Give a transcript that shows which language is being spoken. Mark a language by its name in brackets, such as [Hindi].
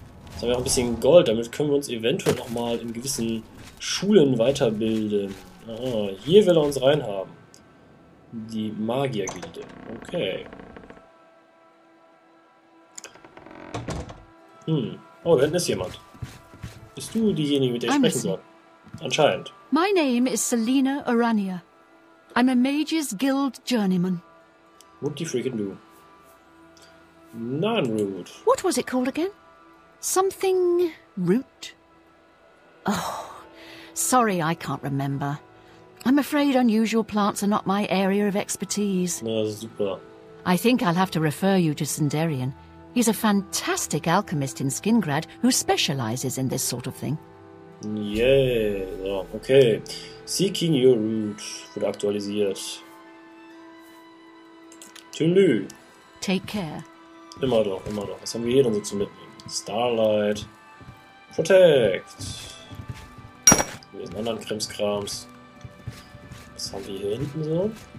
[German] Jetzt haben wir auch ein bisschen Gold, damit können wir uns eventuell noch mal in gewissen Schulen weiterbilden. Aha, hier will er uns reinhaben. Die Magiergilde. Okay. Oh, da hinten ist jemand. Bist du diejenige, mit der ich [English] I'm [German] sprechen [English] missing. [German] soll? Anscheinend. [English] My name is Selina Aranya. I'm a Mage's Guild Journeyman. Whoop-de-freaking do. Non-root. What was it called again? Something root? Oh, sorry, I can't remember. I'm afraid unusual plants are not my area of expertise. [German] Na super. [English] I think I'll have to refer you to Sindarian. He's a fantastic alchemist in Skingrad who specializes in this sort of thing. Yay. Yeah. Oh, okay. Seeking your root [German] wurde aktualisiert. Tülü. [English] Take care. [German] Immer doch, immer doch. Was haben wir hier denn so zu mitnehmen? Starlight. Protect. Wir sind anderen Krimskrams. Was haben wir hier hinten so?